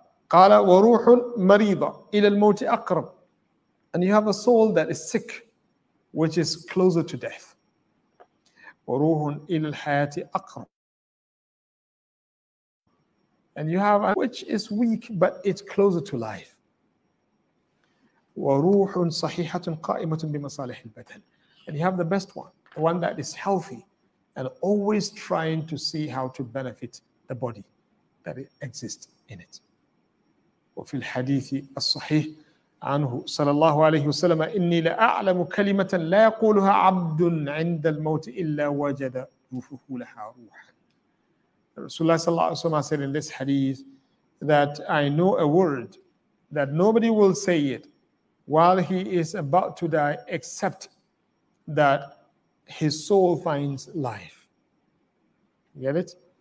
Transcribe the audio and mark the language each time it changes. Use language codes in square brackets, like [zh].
[ar] قال وروح مريضة إلى الموت أقرب. [en] And you have a soul that is sick, which is closer to death. [ar] وروح إلى الحياة أقرب. [en] And you have a which is weak, but it's closer to life. [ar] وروح صحيحة قائمة بمصالح البدن. [en] And you have the best one, the one that is healthy and always trying to see how to benefit the body that it exists in it. [ar] وفي الحديث الصحيح عنه صلى الله عليه وسلم إني لأعلم كلمة لا يقولها عبد عند الموت إلا وجد روحه لها روحا. رسول الله صلى الله عليه وسلم [en] said in this hadith that I know a word that nobody will say it while he is about to die except that his soul finds life. You get it?